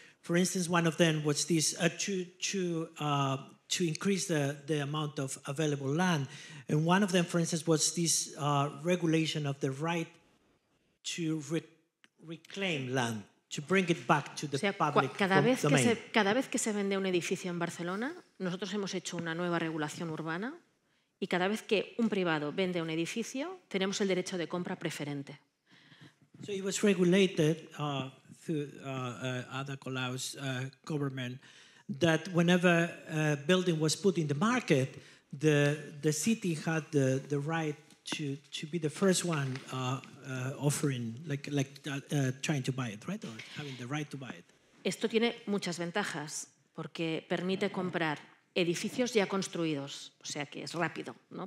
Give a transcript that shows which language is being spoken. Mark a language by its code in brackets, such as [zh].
[en] For instance, one of them was this to increase the amount of available land. And one of them, for instance, was this regulation of the right to reclaim land, to bring it back to the public domain. [es] Cada vez que se vende un edificio en Barcelona, nosotros hemos hecho una nueva regulación urbana, y cada vez que un privado vende un edificio, tenemos el derecho de compra preferente. [en] So it was regulated through Ada Colau's government that whenever a building was put in the market, the city had the right to be the first one offering, trying to buy it, right? Or having the right to buy it. [es] Esto tiene muchas ventajas porque permite comprar edificios ya construidos, o sea que es rápido, ¿no?